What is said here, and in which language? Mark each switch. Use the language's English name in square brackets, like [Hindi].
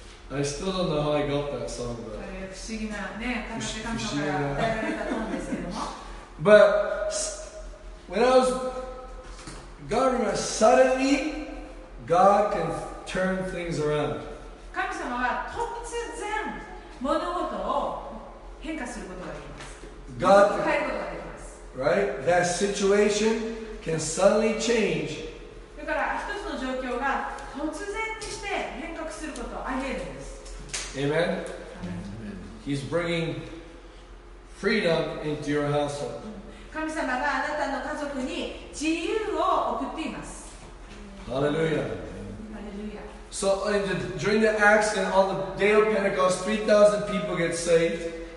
[English] I still don't know how I got that song, but... [Japanese] 不思議な、ね、神様から与えられたと思うんですけども。 [English] But, when I was... God remembered, suddenly, God can turn things around. [Japanese] 神様は突然物事を変化することができる。 [English] God, right? That situation can suddenly change. [Japanese] だから一つの状況が突然にして変革することあり得るんです。 [English] Amen. Amen. He's bringing freedom into your household. [Japanese] 神様があなたの家族に自由を送っています。 [English] Hallelujah. So during the Acts and on the day of Pentecost, 3,000 people get saved.